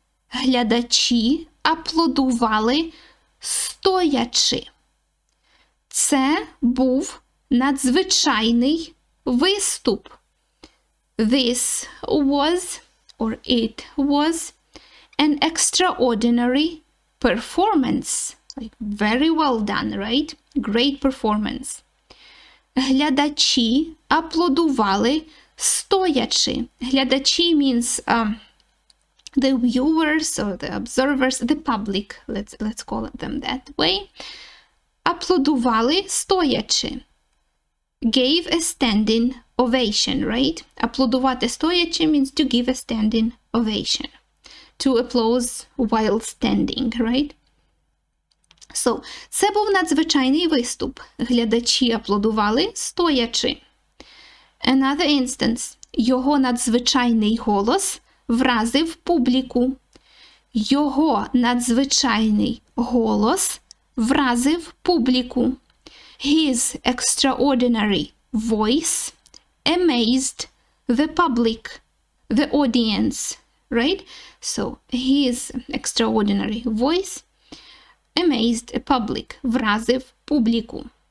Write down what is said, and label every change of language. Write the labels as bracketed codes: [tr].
[uk] Глядачі аплодували стоячи. Це був надзвичайний виступ. [en] This was, or it was, an extraordinary performance. Like, very well done, right? Great performance. [uk] Глядачі аплодували стоячи. [en] Глядачі means the viewers or the observers, the public, let's call them that way. [uk] Аплодували стоячи. [en] Gave a standing ovation, right? [uk] Аплодувати стоячи [en] means to give a standing ovation. To applause while standing, right? [uk] So, це був надзвичайний виступ. Глядачі аплодували стоячи. [en] Another instance. [uk] Його надзвичайний голос вразив публіку. Його надзвичайний голос вразив публіку. [en] His extraordinary voice amazed the public, the audience, right? So, his extraordinary voice amazed the public, [uk] вразив публіку.